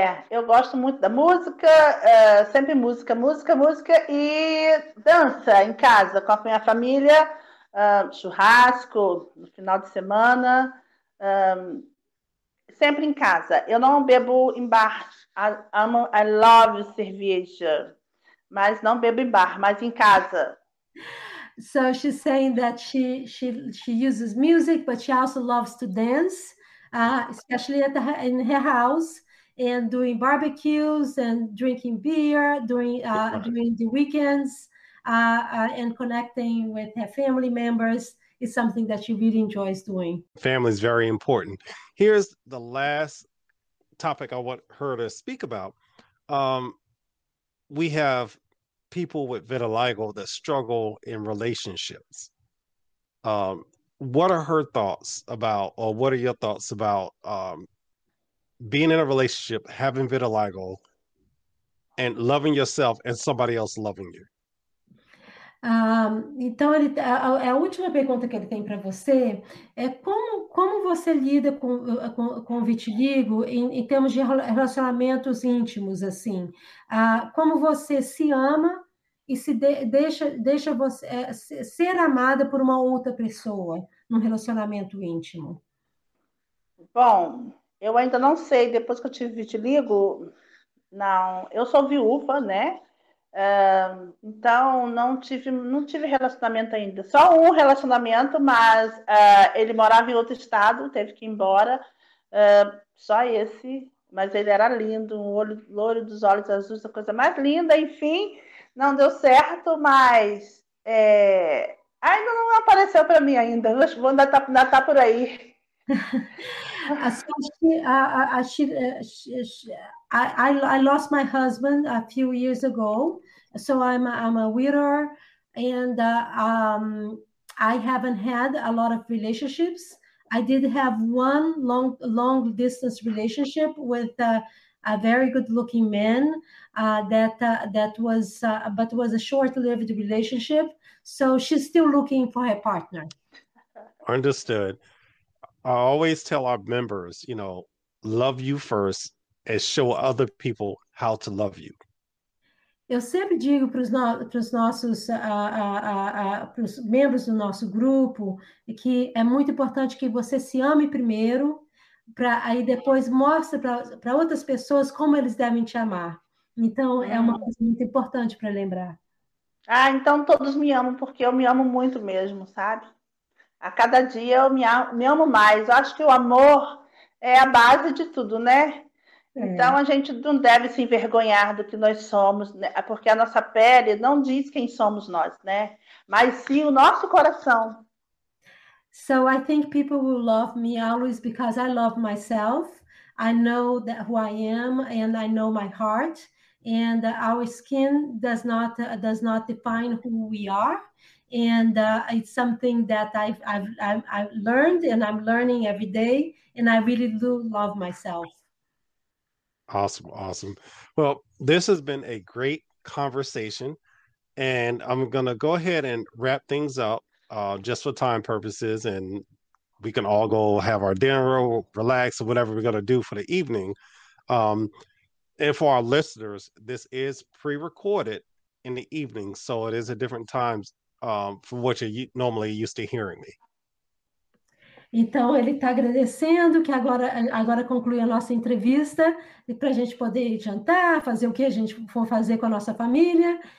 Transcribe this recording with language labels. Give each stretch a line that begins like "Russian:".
Portuguese: Eu gosto muito da música, sempre música, música, música e dança em casa com a minha família. churrasco no final de semana, sempre em casa. Eu não bebo em bar.
English: I love
Portuguese: cerveja, mas não bebo em bar, mas em casa.
English: So she's saying that she uses music, but she also loves to dance, especially in her house, and doing barbecues and drinking beer during the weekends, and connecting with her family members is something that she really enjoys doing. Family is very important. Here's the last topic I want her to speak about. We have people with vitiligo that struggle in relationships. What are her thoughts about, or what are your thoughts about being in a relationship, having vitiligo, and loving yourself and somebody else loving you?
Portuguese: Então, a última pergunta que ele tem para você é como você lida com vitiligo em termos de relacionamentos íntimos, assim? Como você se ama e se de, deixa você ser amada por uma outra pessoa num relacionamento íntimo? Bom, eu ainda não sei, depois que eu tive vitiligo, não, eu sou viúva, né? Então não tive relacionamento ainda, só um relacionamento, mas ele morava em outro estado, teve que ir embora, só esse, mas ele era lindo, um olho louro dos olhos azuis, a coisa mais linda, enfim, não deu certo, mas ainda não apareceu para mim ainda, mas vou ainda tá por aí.
English: I lost my husband a few years ago, so I'm a widower, and I haven't had a lot of relationships. I did have one long distance relationship with a very good looking man, that was but was a short-lived relationship, so she's still looking for her partner. Understood. I always tell our members, love you first and show other people how to love you.
Portuguese: Eu sempre digo para os membros do nosso grupo que é muito importante que você se ame primeiro, aí depois mostre para outras pessoas como eles devem te amar. Então, é uma coisa muito importante para lembrar. Ah, então todos me amam porque eu me amo muito mesmo, sabe? A cada dia eu me amo mais. Eu acho que o amor é a base de tudo, né? Então a gente não deve se envergonhar do que nós somos, né? Porque a nossa pele não diz quem somos nós, né? Mas sim o nosso coração.
English: So I think people will love me always because I love myself. I know that who I am, and I know my heart. And our skin does not define who we are. And it's something that I've learned, and I'm learning every day. And I really do love myself. Awesome. Well, this has been a great conversation, and I'm going to go ahead and wrap things up just for time purposes, and we can all go have our dinner or relax or whatever we're going to do for the evening. And for our listeners, this is pre-recorded in the evening, so it is a different time from what you're normally used to hearing me.
Portuguese: Então, ele está agradecendo que agora conclui a nossa entrevista, e para a gente poder jantar, fazer o que a gente for fazer com a nossa família.